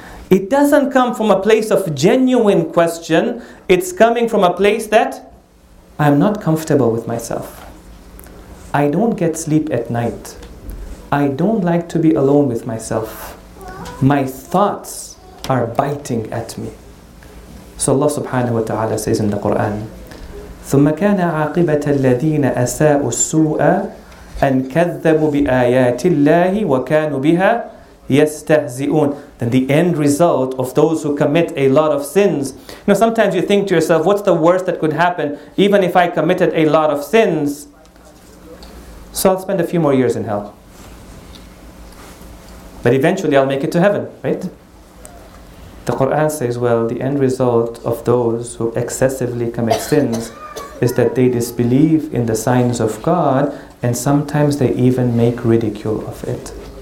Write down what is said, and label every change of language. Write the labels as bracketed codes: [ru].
[en] It doesn't come from a place of genuine question. It's coming from a place that I'm not comfortable with myself. I don't get sleep at night. I don't like to be alone with myself. My thoughts are biting at me. So Allah subhanahu wa ta'ala says in the Quran, [ar] ثُمَّ كَانَ عَاقِبَةَ الَّذِينَ أَسَاءُ السُّوءَ أَنْ كَذَّبُوا بِآيَاتِ اللَّهِ وَكَانُوا بِهَا يَسْتَهْزِئُونَ. [en] Then the end result of those who commit a lot of sins. Now sometimes you think to yourself, what's the worst that could happen even if I committed a lot of sins? So I'll spend a few more years in hell. But eventually I'll make it to heaven, right? The Quran says, well, the end result of those who excessively commit sins is that they disbelieve in the signs of God, and sometimes they even make ridicule of it.